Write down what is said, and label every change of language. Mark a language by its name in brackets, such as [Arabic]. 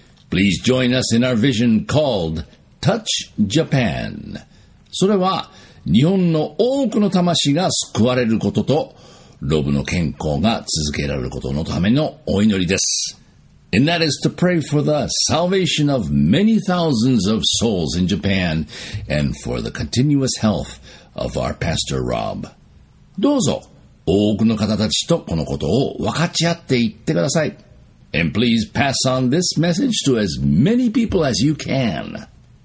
[English] Please join us in our vision called Touch Japan. [Japanese] それは日本の多くの魂が救われることとロブの健康が続けられることのためのお祈りです。 [English] And that is to pray for the salvation of many thousands of souls in Japan and for the continuous health of our Pastor Rob. [Japanese] どうぞ多くの方たちとこのことを分かち合っていってください。 [English] And please pass on this message to as many people as you can.